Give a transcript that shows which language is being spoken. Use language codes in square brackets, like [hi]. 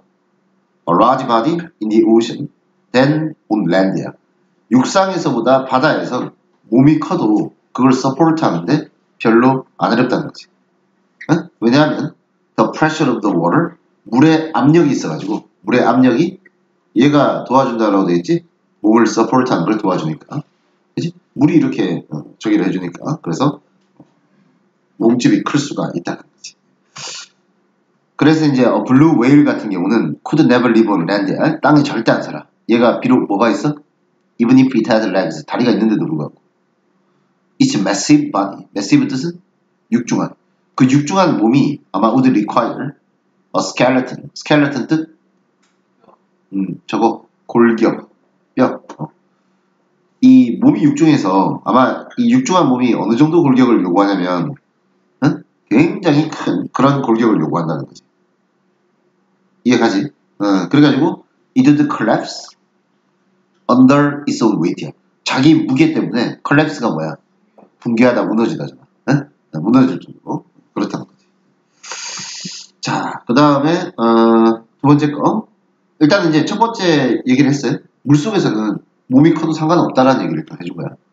[en] A large body in the ocean than on land야. [ko] 육상에서보다 바다에서 몸이 커도 그걸 support 하는데 별로 안 어렵다는 거지. 응? 왜냐하면 [en] the pressure of the water, [ko] 물의 압력이 있어가지고, 물의 압력이 얘가 도와준다라고 돼 있지? 몸을 support 하는 걸 도와주니까. 그지? 물이 이렇게 저기를 해주니까. 그래서 몸집이 클 수가 있다는 거지. 그래서 이제 블루 웨일 같은 경우는 [en] could never live on land [ko] 야. 땅에 절대 안 살아. 얘가 비록 뭐가 있어? [en] Even if it had legs, [ko] 다리가 있는데도 불구하고. [en] It's massive body. massive [ko] 뜻은 육중한. 그 육중한 몸이 아마 [en] would require a skeleton. skeleton 뜻? [ko] 저거 골격, 뼈. 이 몸이 육중해서 아마 이 육중한 몸이 어느 정도 골격을 요구하냐면, 굉장히 큰 그런 골격을 요구한다는 거지. 이해가지? 그래가지고 [en] it would collapse under its own weight야. [ko] 자기 무게 때문에 collapse가 뭐야? 붕괴하다, 무너지다잖아. 무너질 정도로 그렇다는 거지. 자, 그 다음에 두 번째 거. 일단 이제 첫 번째 얘기를 했어요. 물속에서는 몸이 커도 상관없다라는 얘기를 또 해준 거야.